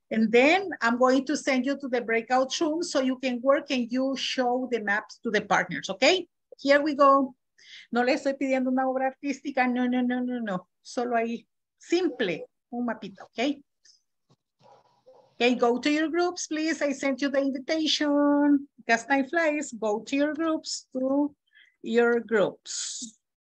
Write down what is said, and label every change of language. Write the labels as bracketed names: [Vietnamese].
[English] And then I'm going to send you to the breakout room so you can work and you show the maps to the partners, okay? Here we go. [Spanish] No le estoy pidiendo una obra artística, no. Solo ahí, simple, un mapita, okay? [English] Okay, go to your groups, please. I sent you the invitation. Cast Night Flies, go to your groups, to your groups.